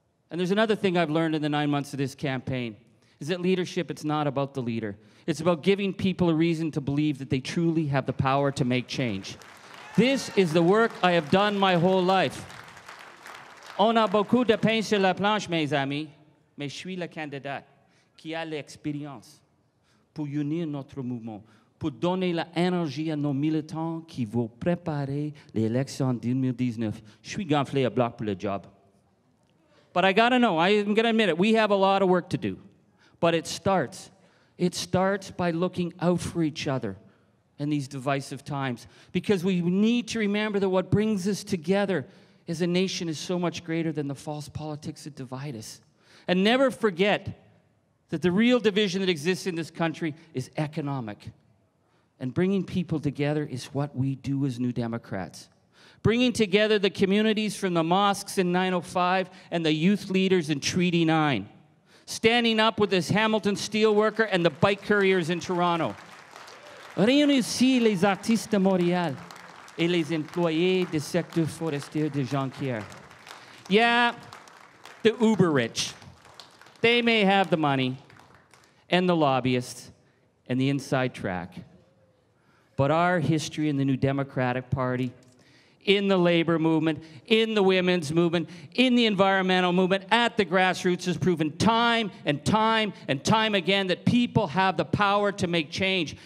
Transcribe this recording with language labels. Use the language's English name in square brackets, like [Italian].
[English] And there's another thing I've learned in the 9 months of this campaign, is that leadership, it's not about the leader. It's about giving people a reason to believe that they truly have the power to make change. This is the work I have done my whole life. [French] On a beaucoup de pain sur la planche, mes amis, mais je suis le candidat qui a l'expérience pour unir notre mouvement, pour donner l'énergie à nos militants qui vont préparer l'élection 2019. Je suis gonflé à bloc pour le job. [English] But I gotta know, I'm gonna admit it, we have a lot of work to do. But it starts by looking out for each other in these divisive times. Because we need to remember that what brings us together as a nation is so much greater than the false politics that divide us. And never forget that the real division that exists in this country is economic. And bringing people together is what we do as New Democrats. Bringing together the communities from the mosques in 905 and the youth leaders in Treaty 9. Standing up with this Hamilton steelworker and the bike couriers in Toronto. [French] Réunissez les artistes de Montréal et les employés du secteur forestier de Jonquière. [English] Yeah, the uber rich. They may have the money and the lobbyists and the inside track. But our history in the New Democratic Party, in the labor movement, in the women's movement, in the environmental movement, at the grassroots, has proven time and time and time again that people have the power to make change.